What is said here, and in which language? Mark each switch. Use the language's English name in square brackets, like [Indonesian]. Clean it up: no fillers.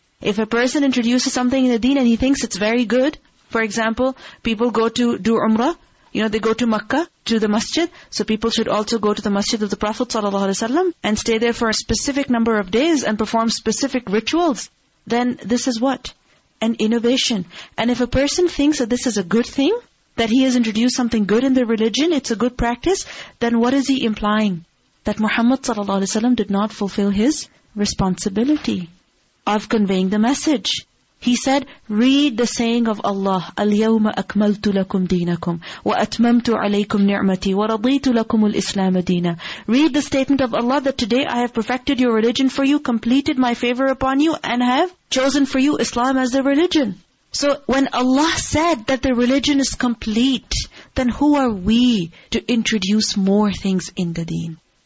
[English] If a person introduces something in the deen and he thinks it's very good, for example, people go to do Umrah, you know, they go to Makkah, to the masjid, so people should also go to the masjid of the Prophet ﷺ and stay there for a specific number of days and perform specific rituals, then this is what? An innovation. And if a person thinks that this is a good thing, that he has introduced something good in the religion, it's a good practice, then what is he implying? That Muhammad ﷺ did not fulfill his responsibility of conveying the message. He said, read the saying of Allah, [Arabic] الْيَوْمَ أَكْمَلْتُ لَكُمْ دِينَكُمْ وَأَتْمَمْتُ عَلَيْكُمْ نِعْمَتِي وَرَضِيتُ لَكُمُ الْإِسْلَامَ دِينَ. [English] Read the statement of Allah that today I have perfected your religion for you, completed my favor upon you, and have chosen for you Islam as the religion. So when Allah said that the religion is complete, then who are we to introduce more things in the deen?